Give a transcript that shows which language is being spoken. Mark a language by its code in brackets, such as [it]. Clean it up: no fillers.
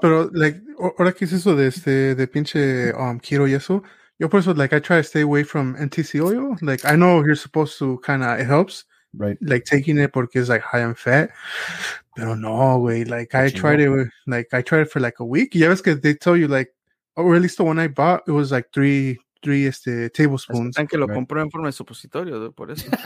[es] Pero like, ahora qué es eso de de pinche quiero y eso. Yo, por eso, [en] like, I try to stay away from MTC oil. Like, I know you're supposed to kind of, it helps. Right. Like, taking it [es] porque [en] it's, like, high in fat. [es] Pero no, güey. [en] Like, I tried it for, like, a week. [es] Ya ves que [en] they tell you, like, or at least the one I bought, it was, like, three tablespoons. [es] Es que lo compré en forma de supositorio, por eso.